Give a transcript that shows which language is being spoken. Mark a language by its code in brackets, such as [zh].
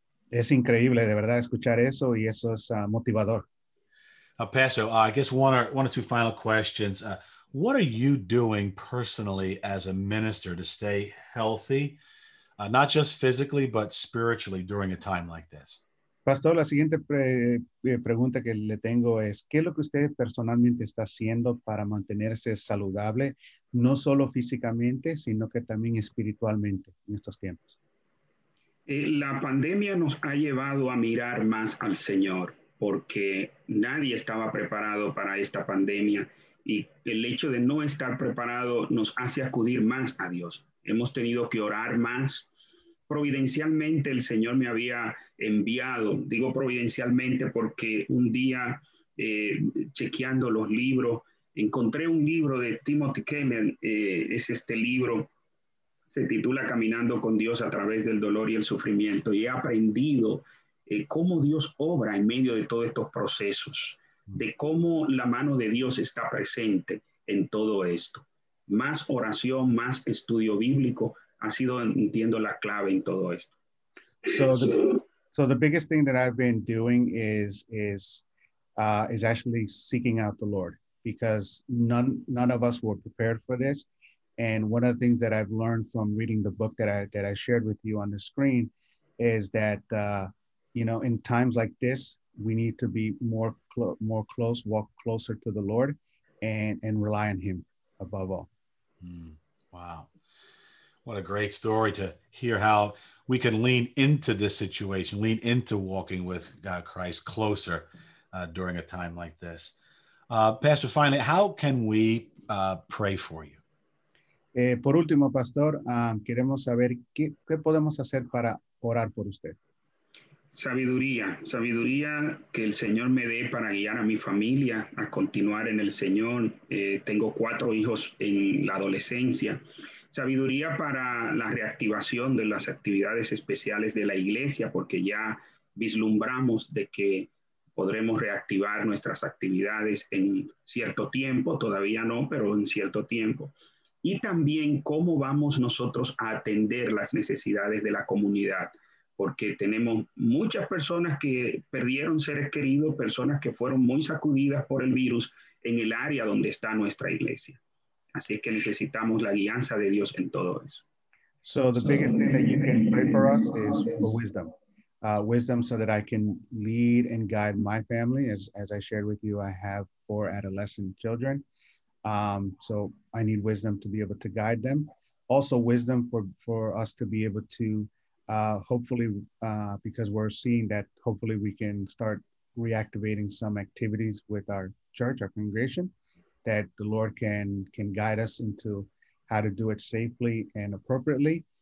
[es] Es increíble, de verdad, escuchar eso, y eso es motivador. [en] Pastor, I guess one or two final questions. What are you doing personally as a minister to stay healthy, not just physically, but spiritually during a time like this? [es] Pastor, la siguiente pregunta que le tengo es, ¿qué es lo que usted personalmente está haciendo para mantenerse saludable, no solo físicamente, sino que también espiritualmente en estos tiempos? La pandemia nos ha llevado a mirar más al Señor porque nadie estaba preparado para esta pandemia y el hecho de no estar preparado nos hace acudir más a Dios. Hemos tenido que orar más. Providencialmente el Señor me había enviado, digo providencialmente porque un día chequeando los libros, encontré un libro de Timothy Keller, es este libro. Se titula Caminando con Dios a través del dolor y el sufrimiento. Y he aprendido cómo Dios obra en medio de todos estos procesos, de cómo la mano de Dios está presente en todo esto. Más oración, más estudio bíblico ha sido, entiendo, la clave en todo esto. [en] So the biggest thing that I've been doing is actually seeking out the Lord, because none of us were prepared for this. And one of the things that I've learned from reading the book that I shared with you on the screen is that, in times like this, we need to be more close, walk closer to the Lord and rely on Him above all. Wow. What a great story to hear how we can lean into this situation, lean into walking with God Christ closer during a time like this. Pastor, finally, how can we pray for you? [es] Por último, Pastor, queremos saber qué podemos hacer para orar por usted. Sabiduría que el Señor me dé para guiar a mi familia, a continuar en el Señor. Tengo 4 hijos en la adolescencia. Sabiduría para la reactivación de las actividades especiales de la iglesia, porque ya vislumbramos de que podremos reactivar nuestras actividades en cierto tiempo, todavía no, pero en cierto tiempo. Y también cómo vamos nosotros a atender las necesidades de la comunidad, porque tenemos muchas personas que perdieron seres queridos, personas que fueron muy sacudidas por el virus en el área donde está nuestra iglesia. Así que necesitamos la guianza de Dios en todo eso. [en] So the biggest thing that you can pray for us is for wisdom. Wisdom so that I can lead and guide my family. As I shared with you, I have 4 adolescent children. So I need wisdom to be able to guide them. Also wisdom for us to be able to because we're seeing that hopefully we can start reactivating some activities with our church, our congregation, that the Lord can guide us into how to do it safely and appropriately.